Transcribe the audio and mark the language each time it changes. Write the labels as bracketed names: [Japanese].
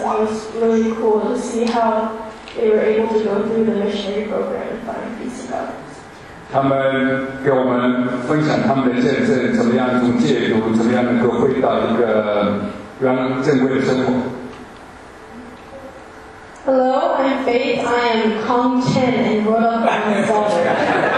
[English] It was really cool to see how they were able to go through the missionary program and find peace in God. [Chinese] 他们给我们分享他们的见证，怎么样从戒毒，怎么样能够回到一个原正规的生活。 [English] Hello, I'm Faith. I am Kong Chen and brought up in Los Angeles.